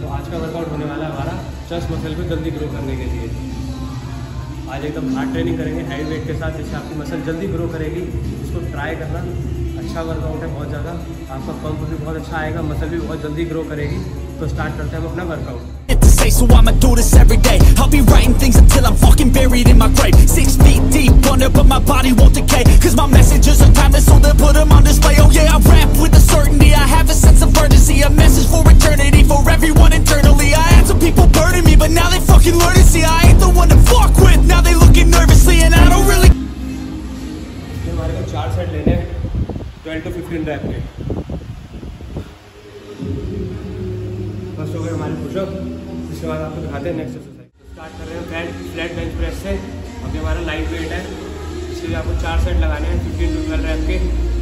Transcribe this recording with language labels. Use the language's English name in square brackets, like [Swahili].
[Hindi] तो आज का वर्कआउट होने वाला है हमारा चेस्ट मसल को जल्दी ग्रो करने के लिए। आज एकदम हार्ड ट्रेनिंग करेंगे हैवी वेट के साथ, जिससे आपकी मसल जल्दी ग्रो करेगी। इसको ट्राई करना, अच्छा वर्कआउट है बहुत ज़्यादा। आपका पंप भी बहुत अच्छा आएगा, मसल भी बहुत जल्दी ग्रो करेगी। तो स्टार्ट करते हैं हम अपना workout. [English] So I'ma do this every day. I'll be writing things until I'm fucking buried in my grave. 6 feet deep under, but my body won't decay. 'Cause my messages are timeless, so they'll put them on display. Oh yeah, I rap with a certainty. I have a sense of urgency. A message for eternity for everyone internally. I had some people burning me, but now they fucking learn to see. I ain't the one to fuck with. Now they looking nervously, and I don't really. [Hindi] हमारे को 4 set लेने हैं, 12 to 15 rap के। बस हो गए हमारे pushup. इसके बाद आपको दिखाते हैं नेक्स्ट एक्सरसाइज। स्टार्ट कर रहे हैं बैंड फ्लैट बेंच प्रेस से। अभी हमारा लाइट वेट है, इसलिए आपको 4 सेट लगाने हैं 15-12 रैप के।